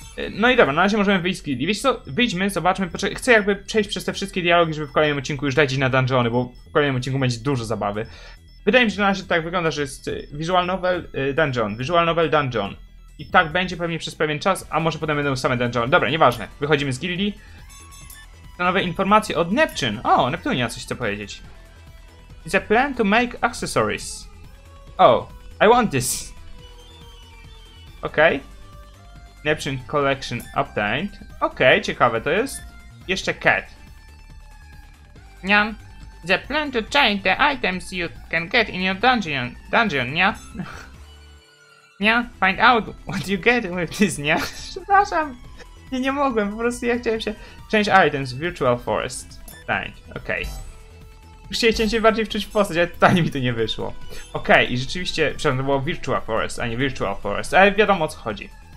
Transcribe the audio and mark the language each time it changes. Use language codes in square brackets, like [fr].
[pl] No i dobra, na razie możemy wyjść z gildii. Wiesz co, wyjdźmy, zobaczmy, chcę jakby przejść przez te wszystkie dialogi, żeby w kolejnym odcinku już lecieć na dungeony, bo w kolejnym odcinku będzie dużo zabawy. Wydaje mi się, że na razie tak wygląda, że jest visual novel dungeon. I tak będzie pewnie przez pewien czas, a może potem będą same dungeony. Dobra, nieważne, wychodzimy z gildii. Nowe informacje od Neptune. O, Neptunia coś chce powiedzieć. [en] It's a plan to make accessories. Oh, I want this. [pl] Okej. [en] Neptune Collection Obtained. [pl] Okej, ciekawe to jest. Jeszcze Cat. Niam. [en] The plan to change the items you can get in your dungeon, nia? Nia? Find out what you get with this, nia? [pl] Przepraszam. Nie mogłem, po prostu ja chciałem się... [en] Change items, Virtual Forest. Obtained. [pl] Okej. chciałem się bardziej wczuć w postać, ale tutaj mi to nie wyszło. Okej, i rzeczywiście, przepraszam, to było Virtual Forest, a nie Virtual Forest, ale wiadomo o co chodzi.